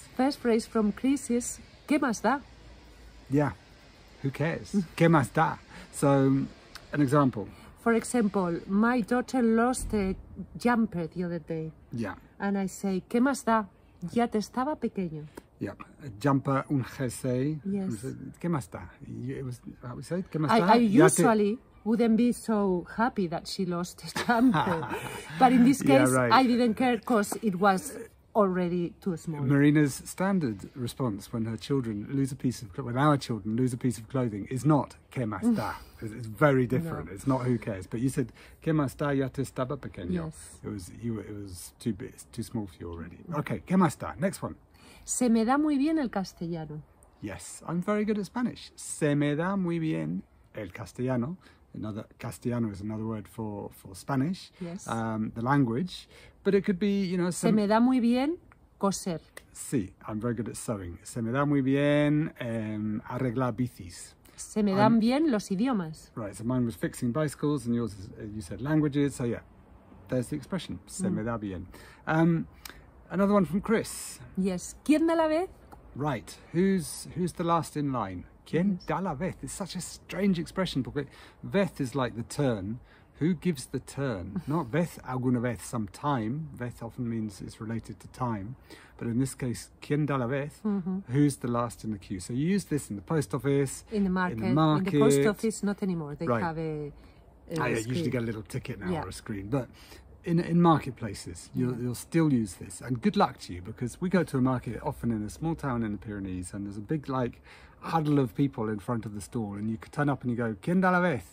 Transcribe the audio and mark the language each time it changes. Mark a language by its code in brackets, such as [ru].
[en] First phrase from Chris is, [es] ¿qué más da? [en] Yeah, who cares? [es] ¿Qué más da? [en] So, an example. For example, my daughter lost a jumper the other day. Yeah. And I say, [es] ¿qué más da? Ya te estaba pequeño. [en] Yep, a jumper, [es] un jersey. [en] Yes. [es] ¿Qué más da? [en] How we say it? [es] ¿Qué más da? [en] I usually wouldn't be so happy that she lost a jumper. But in this case, I didn't care because it was already too small. Marina's standard response when her children lose a piece of when our children lose a piece of clothing is not [es] ¿qué más da? [en] It's very different. No. It's not who cares. But you said [es] ¿qué más da? Ya te estaba pequeño. [en] Yes. It was too small for you already. Okay, [es] ¿qué más da? [en] Next one. [es] Se me da muy bien el castellano. [en] Yes, I'm very good at Spanish. [es] Se me da muy bien el castellano. [en] Another castellano is another word for Spanish. Yes. The language. But it could be, you know, [es] se me da muy bien coser. [en] Sí, I'm very good at sewing. [es] Se me da muy bien arreglar bicis. Se me dan bien los idiomas. [en] Right, so mine was fixing bicycles and yours is, you said languages. So yeah, there's the expression. [es] Se me da bien. [en] Another one from Chris. Yes. [es] ¿Quién da la vez? [en] Right. Who's the last in line? [es] ¿Quién da la vez? [en] It's such a strange expression. Porque vez is like the turn. Who gives the turn? Not vez [es] alguna vez, [en] some time. Vez often means it's related to time. But in this case, [es] ¿quién da la vez? [en] Who's the last in the queue? So you use this in the post office. In the market. In the post office, not anymore. They have a screen. I usually get a little ticket now or a screen. But In marketplaces, you'll still use this. And good luck to you, because we go to a market often in a small town in the Pyrenees, and there's a big, like, huddle of people in front of the stall, and you could turn up and you go, [es] ¿quién da la vez?